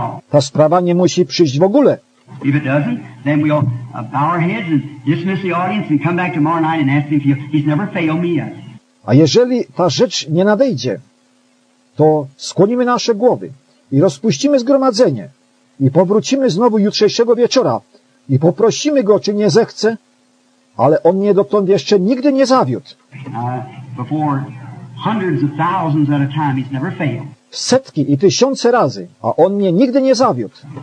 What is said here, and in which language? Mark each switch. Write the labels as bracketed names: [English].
[Polish] Ta sprawa nie musi przyjść w ogóle. [English] If it doesn't, then we'll bow our heads and dismiss the audience and come back tomorrow night and ask him if he's never failed me yet. [Polish] A jeżeli ta rzecz nie nadejdzie, to skłonimy nasze głowy i rozpuścimy zgromadzenie i powrócimy znowu jutrzejszego wieczora i poprosimy go, czy nie zechce, ale on mnie dotąd jeszcze nigdy nie zawiódł. [English] Before hundreds of thousands at a time, he's never failed. [Polish] Setki i tysiące razy, a on mnie nigdy nie zawiódł.